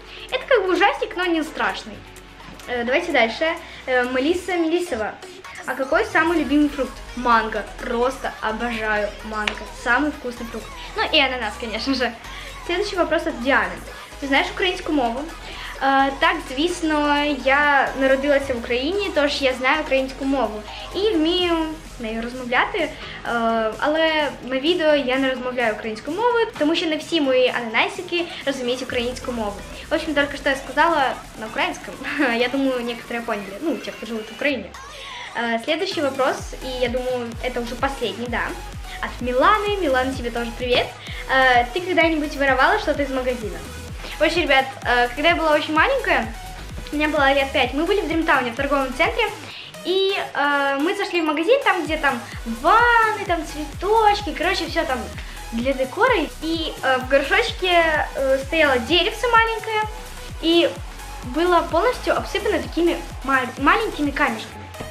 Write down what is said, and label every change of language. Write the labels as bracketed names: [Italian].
[Russian] Это как бы ужастик, но не страшный. Давайте дальше. Мелисса Мелисова. А какой самый любимый фрукт? Манго. Просто обожаю манго. Самый вкусный фрукт. Ну и ананас, конечно же. Следующий вопрос от Дианы. Ты знаешь украинскую мову? [Ukrainian] Так, звісно, я народилася в Україні, тож я знаю українську мову і вмію нею розмовляти, але на відео я не розмовляю українською мовою, тому що не всі мої ананасики розуміють українську мову. [Russian] В общем, [Ukrainian] тільки що я сказала на українському, я думаю, [Russian] некоторые поняли, [Ukrainian] ті, хто живуть в Україні. [Russian] Следующий вопрос, [Ukrainian] і я думаю, це вже останній, да, від Мілани. Мілана, тобі теж привіт. Ти коли-небудь вирувала щось з магазину? [Russian] Вообще, ребят, когда я была очень маленькая, мне было лет 5, мы были в Дримтауне, в торговом центре, и мы зашли в магазин, там, где там ванны, там цветочки, короче, все там для декора. И в горшочке стояло деревце маленькое, и было полностью обсыпано такими маленькими камешками.